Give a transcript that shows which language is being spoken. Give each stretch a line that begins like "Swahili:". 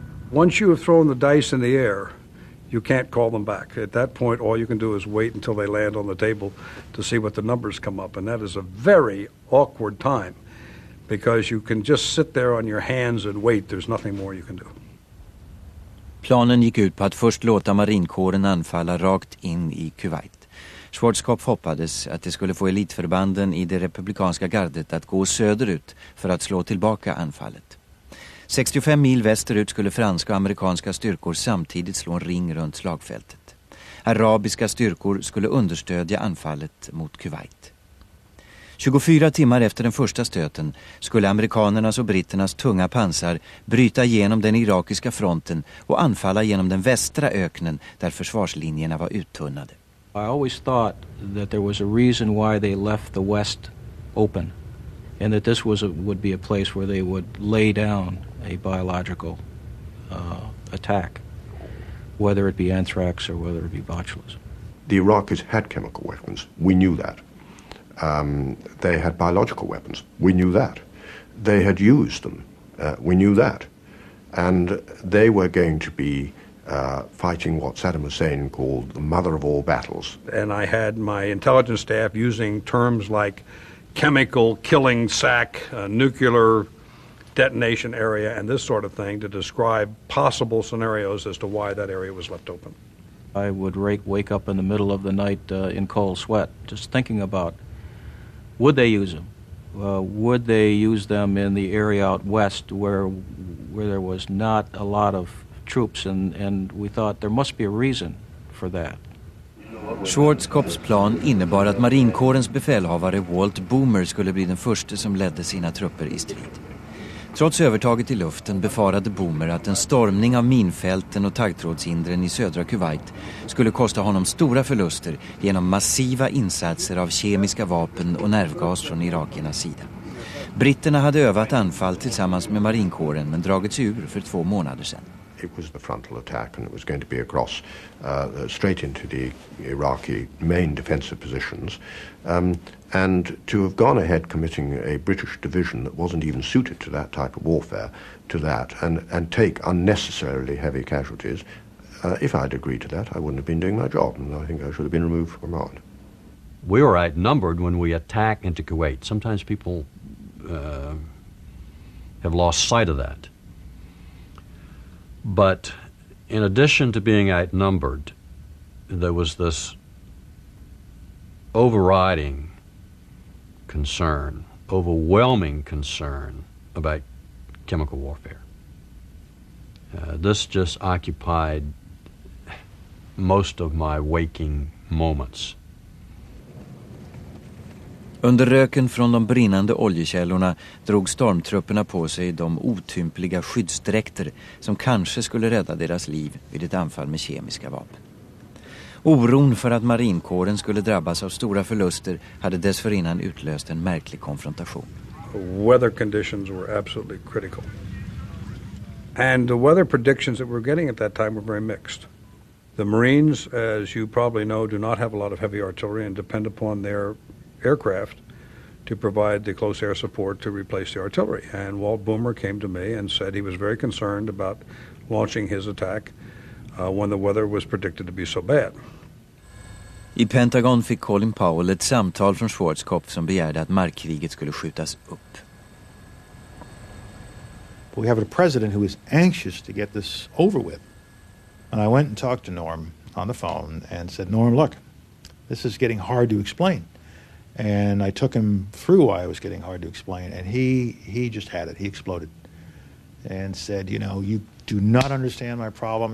English: Once you have thrown the dice in the air, you can't call them back. At that point, all you can do is wait until they land on the table to see what the numbers come up. And that is a very awkward time because you can just sit there on your hands and wait. There's nothing more you can do.
Swedish: Planen gick ut på att först låta marinkåren anfalla rakt in i Kuwait. Schwarzkopf hoppades att det skulle få elitförbanden i det republikanska gardet att gå söderut för att slå tillbaka anfallet. 65 mil västerut skulle franska och amerikanska styrkor samtidigt slå en ring runt slagfältet. Arabiska styrkor skulle understödja anfallet mot Kuwait. 24 timmar efter den första stöten skulle amerikanernas och britternas tunga pansar bryta igenom den irakiska fronten och anfalla genom den västra öknen där försvarslinjerna var uttunnade.
English: I always thought that there was a reason why they left the west open and that this was would be a place where they would lay down a biological attack, whether it be anthrax or whether it be botulism. The Iraqis had chemical weapons. We knew that. They had biological weapons. We knew that. They had used them. We knew that. And they were going to be fighting what Saddam Hussein called the mother of all battles. And I had my intelligence staff using terms like chemical killing sack, nuclear detonation area, and this sort of thing to describe possible scenarios as to why that area was left open. I would wake up in the middle of the night in cold sweat just thinking about, would they use them? Would they use them in the area out west where there was not a lot of troops and we thought there must be a reason for that.
Swedish: Schwarzkopfs plan innebar att marinkårens befälhavare Walt Boomer skulle bli den första som ledde sina trupper i strid. Trots övertaget i luften befarade Boomer att en stormning av minfälten och taggtrådshindren i södra Kuwait skulle kosta honom stora förluster genom massiva insatser av kemiska vapen och nervgas från irakiernas sida. Britterna hade övat anfall tillsammans med marinkåren men dragits ur för 2 månader sedan.
English: It was the frontal attack and it was going to be across straight into the Iraqi main defensive positions. And to have gone ahead committing a British division that wasn't even suited to that type of warfare to that and take unnecessarily heavy casualties, if I'd agreed to that, I wouldn't have been doing my job and I think I should have been removed from command. We were outnumbered when we attack into Kuwait. Sometimes people have lost sight of that. But in addition to being outnumbered, there was this overriding concern, overwhelming concern about chemical warfare. This just occupied most of my waking moments.
Swedish: Under röken från de brinnande oljekällorna drog stormtrupperna på sig de otympliga skyddsdräkter som kanske skulle rädda deras liv vid ett anfall med kemiska vapen. Oron för att marinkåren skulle drabbas av stora förluster hade dessförinnan utlöst en märklig konfrontation.
English: Weather conditions were absolutely critical. And the weather predictions that we were getting at that time were very mixed. The Marines, as you probably know, do not have a lot of heavy artillery and depend upon their aircraft to provide the close air support to replace the artillery. And Walt Boomer came to me and said he was very concerned about launching his attack when the weather was predicted to be so bad.
Swedish: I Pentagon fick Colin Powell ett samtal från Schwarzkopf som begärde att markkriget skulle skjutas upp.
English: But we have a president who is anxious to get this over with. And I went and talked to Norm on the phone and said, Norm, look, this is getting hard to explain. And I took him through why it was getting hard to explain, and he just had it. He exploded and said, you know, you do not understand my problem.